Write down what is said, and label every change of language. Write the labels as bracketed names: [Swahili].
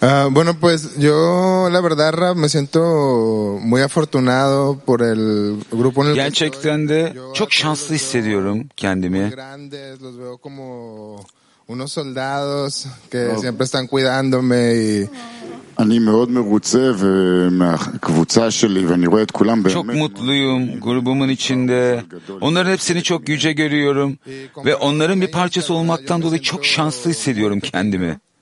[Spanish] Bueno, pues yo, la verdad, Raf, me siento muy afortunado por el grupo en el que estoy. [Turkish] Gerçekten de çok şanslı hissediyorum kendimi. [Spanish] Grandes, los veo como unos soldados que siempre están cuidándome y... [Hebrew] אני מאוד מרוצה ומהקבוצה שלי ואני רואה את כולם באמת [Turkish] çok mutluyum grubumun içinde. Onların hepsini çok yüce görüyorum ve onların bir parçası olmaktan dolayı çok şanslı hissediyorum kendimi.